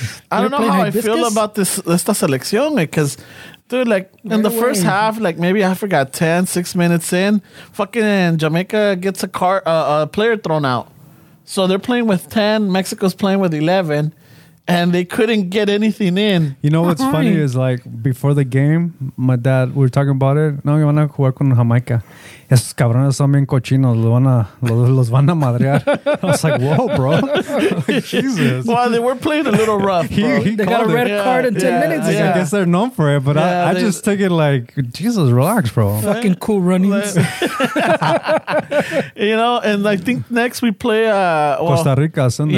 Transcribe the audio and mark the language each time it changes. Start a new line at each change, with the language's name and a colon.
English: I don't know how hibiscus? I feel about this
Spanish: esta selección,
English: because dude, like first half, like maybe I forgot 10-6 minutes in, fucking Jamaica gets a player thrown out. So they're playing with 10, Mexico's playing with 11, and they couldn't get anything in. You know what's funny is like before the game, my dad, we were talking about it. No, you wanna
Spanish: jugar con Jamaica. Esos cabrones son bien cochinos, los van a madrear.
English: I was like, whoa, bro. Like, Jesus. Well, they were playing a little rough, bro. They got a red card in 10 minutes. Yeah. I guess they're known for it, but I just took it like, Jesus, relax, bro. Fucking cool runnings. You know, and I think next we play... Costa Rica Sunday.